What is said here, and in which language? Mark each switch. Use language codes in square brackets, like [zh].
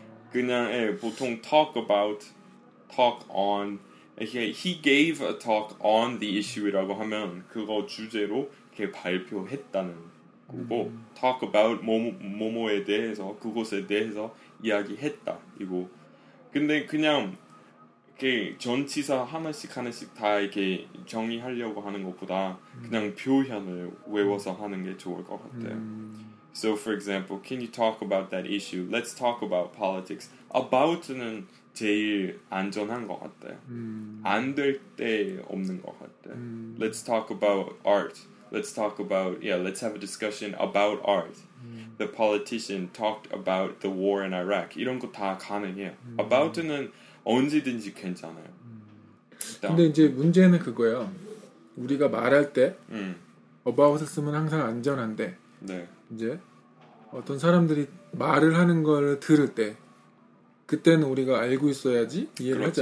[ko] 그냥 예, 보통 talk about, talk on, 이렇게 [en] he gave a talk on the issue [ko] 이라고 하면 그거 주제로 이렇게 발표했다는 거고 talk about 뭐뭐에 대해서 그것에 대해서 이야기했다 이거. 근데 그냥 전치사 하나씩 하나씩 다 이렇게 정리하려고 하는 것보다 그냥 표현을 외워서 하는 게 좋을 것 같아요. [en] So for example, can you talk about that issue? Let's talk about politics. About는 [ko] 제일 안전한 것 같아요. 안 될 때 없는 것 같아요. [en] Let's talk about art. Let's talk about, yeah, let's have a discussion about art. The politician talked about the war in Iraq. [ko] 이런 거 다 가능해요. About는 언제든지 괜찮아요. 근데 이제 문제는 그거예요. 우리가 말할 때 about을 쓰면 항상 안전한데 네. 이제 어떤 사람들이 말을 하는 걸 들을 때 그때는 우리가 알고 있어야지 이해를 그렇죠.